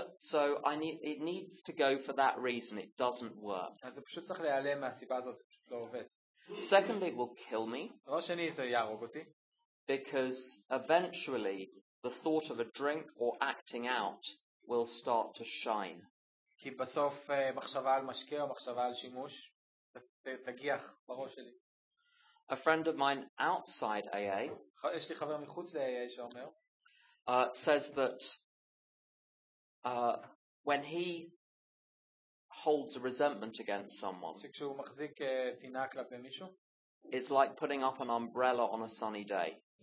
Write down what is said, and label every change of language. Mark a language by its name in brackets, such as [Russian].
[English] So it needs to go for that reason. It doesn't work. [Hebrew] אז פשוט צריך להיעלם מהסיבה הזאת, פשוט לא עובד. [English] Secondly, it will kill me. [Hebrew] לא שני, זה יהרוג אותי. [English] Because eventually, the thought of a drink or acting out will start to shine. [Hebrew] כי בסוף מחשבה על משקה או מחשבה על שימוש, תגיח בראש שלי. [English] A friend of mine outside AA, [Hebrew] יש לי חבר מחוץ ל-AA שאומר, [English] says that when he holds a resentment against someone, it's like putting up an umbrella on a sunny day.